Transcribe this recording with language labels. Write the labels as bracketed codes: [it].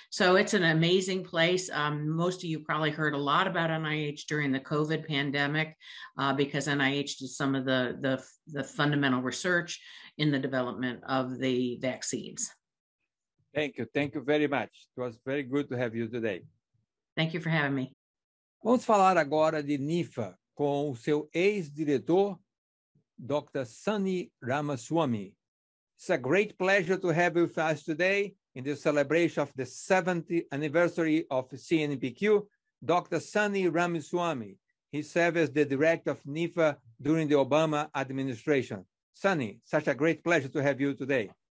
[en] So it's an amazing place. Most of you probably heard a lot about NIH during the COVID pandemic because NIH did some of the fundamental research in the development of the vaccines. Thank you. Thank you very much. It was very good to have you today. Thank you for having me. [pt] Vamos falar agora de NIFA com o seu ex-diretor, Dr. Sunny Ramaswamy. [en] It's a great pleasure to have you with us today in the celebration of the 70th anniversary of CNPq. Dr. Sunny Ramaswamy, he served as the director of NIFA during the Obama administration. Sunny, such a great pleasure to have you today.